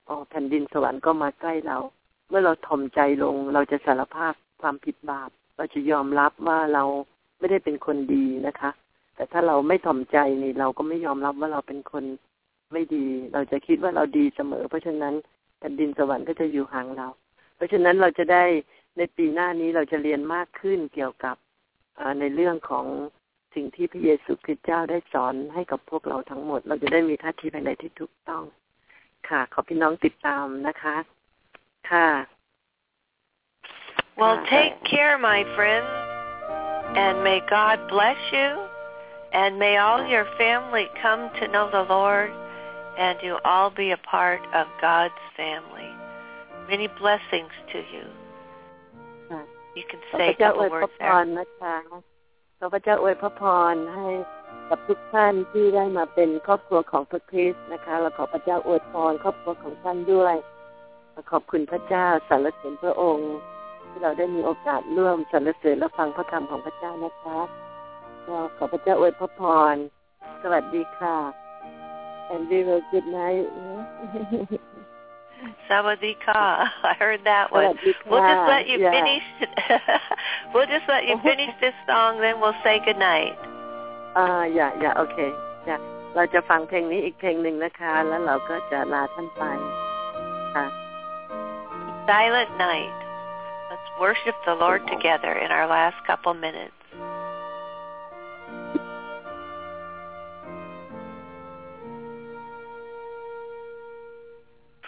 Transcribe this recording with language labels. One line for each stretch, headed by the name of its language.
Thai: แผ่นดินสวรรค์ก็มาใกล้เราเมื่อเราถ่อมใจลงเราจะสารภาพความผิดบาปเราจะยอมรับว่าเราไม่ได้เป็นคนดีนะคะแต่ถ้าเราไม่ถ่อมใจนี่เราก็ไม่ยอมรับว่าเราเป็นคนไม่ดีเราจะคิดว่าเราดีเสมอเพราะฉะนั้นแผ่นดินสวรรค์ก็จะอยู่ห่างเราเพราะฉะนั้นเราจะได้ในปีหน้านี้เราจะเรียนมากขึ้นเกี่ยวกับ ในเรื่องของสิ่งที่พระเยซูคริสต์เจ้าได้สอนให้กับพวกเราทั้งหมดเราจะได้มีท่าทีภายในที่ถูกต้องค่ะขอพี่น้องติดตามนะคะค่ะ
English: Well take care my friend and may God bless you and may all your family come to know the Lord and you all be a part of God's family many blessings to you you can say a couple words there
Thai: ขอพระเจ้าอวยพรน ะคะขอพระเจ้าอวยพระพรให้กับทุกท่านที่ได้มาเป็นครอบครัวของพระคริสต์นะคะแล้วขอพระเจ้าอวยพรครอบครัวของท่านด้วยขอบคุณพระเจ้าสรรเสริญพระองค์ที่เราได้มีโอกาสร่วมสรรเสริญและฟังพระคำของพระเจ้านะคะขอพระเจ้าอวยพระพรสวัสดีค่ะ
English: And we will good night. Sawadika. I heard that one. We'll just let you finish. We'll just let you finish this song, then we'll say good night. Yeah. Okay. Yeah.
Thai: เราจะฟังเพลงนี้อีกเพลงหนึ่งนะคะแล้วเราก็จะลาท่านไปค่ะ
English: Silent night. Let's worship the Lord together in our last couple minutes.